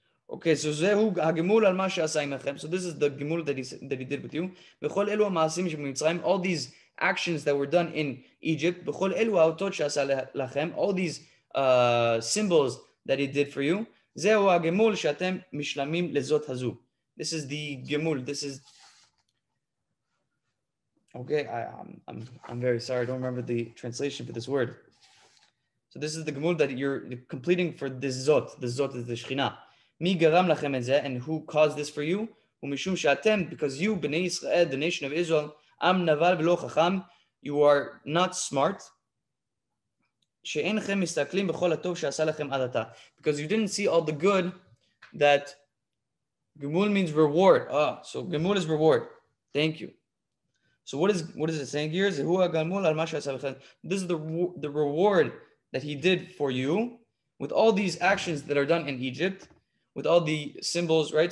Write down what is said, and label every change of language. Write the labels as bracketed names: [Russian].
[English] Okay, so [Hebrew] זהו הגמול על מה שעשה עםכם. [English] So this is the gemul that he did with you. [Hebrew] בכל אלו המעשים שבמצרים, [English] all these actions that were done in Egypt, [Hebrew] בכל אלו האותות שעשה לכם, [English] all these symbols that he did for you, [Hebrew] זהו הגמול שאתם משלמים לזאת הזו. [English] This is the gemul. This is... Okay, I'm very sorry. I don't remember the translation for this word. So this is the gemul that you're completing for this zot. The zot is the shechina. [Hebrew] מי גרם לכם את זה, [English] and who caused this for you? [Hebrew] ומשום שאתם, [English] because you, [Hebrew] בני ישראל, [English] the nation of Israel, [Hebrew] עם נבל ולא חכם, [English] you are not smart, [Hebrew] שאינכם מסתכלים בכל הטוב שעשה לכם עד עתה. [English] Because you didn't see all the good that... Gemul means reward. Ah, so gemul is reward. Thank you. So what is it saying here? [Hebrew] Zehu ha-gemul al ma she'asa lechem. [English] This is the reward that he did for you with all these actions that are done in Egypt, with all the symbols, right?